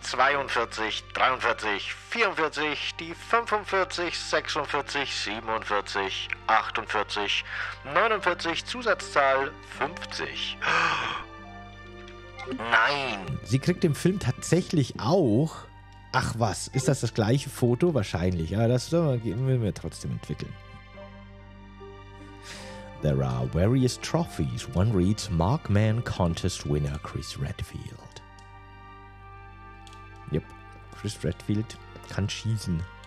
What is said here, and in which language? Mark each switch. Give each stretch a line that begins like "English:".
German: 42, 43, 44, die 45, 46, 47, 48, 49, Zusatzzahl 50. Nein. Sie kriegt im Film tatsächlich auch... Ach was, ist das gleiche Foto? Wahrscheinlich, aber das will mir trotzdem entwickeln.
English: There are various trophies. One reads Mark Man Contest Winner Chris Redfield.
German: Yep, Chris Redfield kann schießen.